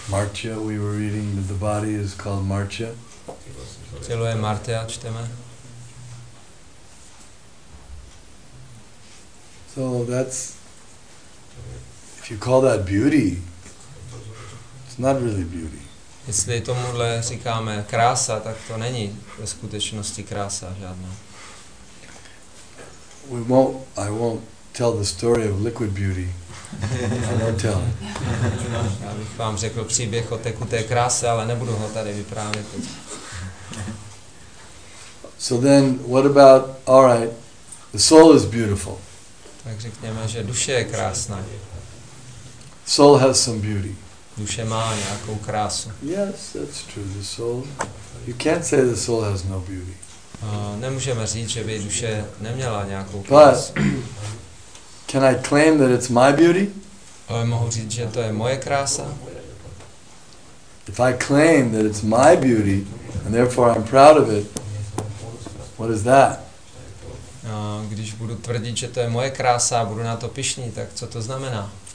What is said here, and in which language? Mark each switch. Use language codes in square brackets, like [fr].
[en] Martya, we were reading that the body is called Martya. [cs] Tělo je Martya, čteme. [en] So that's, if you call that beauty, it's not really beauty. [cs] Jestli tomuhle říkáme krása, tak to není ve skutečnosti krása žádná. [en] I won't tell the story of liquid beauty. I won't tell. [cs] Já bych vám řekl příběh o tekuté kráse, ale nebudu ho tady vyprávět. [en] So then, what about, all right, The soul is beautiful. [cs] Tak řekněme, že duše je krásná. [en] Soul has some beauty. [cs] Duše má nějakou krásu. [en] Yes, that's true. The soul. You can't say the soul has no beauty. [cs] Nemůžeme říct, že by duše neměla nějakou krásu. [en] Can I claim that it's my beauty? [cs] Ale mohu říct, že to je moje krása? [en] If I claim that it's my beauty and therefore I'm proud of it, what is that? [cs] Když budu tvrdit, že to je moje krása, budu na to pyšný, tak co to znamená?